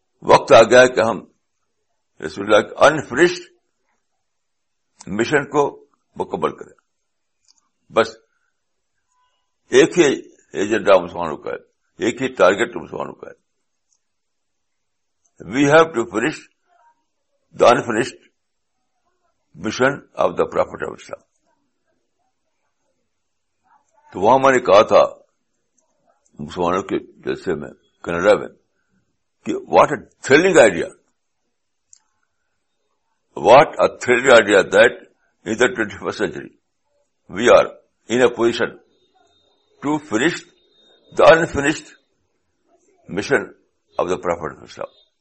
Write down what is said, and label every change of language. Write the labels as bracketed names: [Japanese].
[Urdu] وقت آ گیا کہ ہم رسول اللہ کے انفنشڈ مشن کو مکمل کریں. بس ایک ہی ایجنڈا مسلمانوں کا ہے, ایک ہی ٹارگیٹ مسلمانوں کا ہے. [English] We have to finish the unfinished mission of the prophet of Islam. [Urdu] تو وہاں میں نے کہا تھا مسلمانوں کے جلسے میں کینیڈا میں کہ [English] What a thrilling idea, what a thrilling idea that in the 21st century we are in a position to finish the unfinished mission of the prophet of Islam.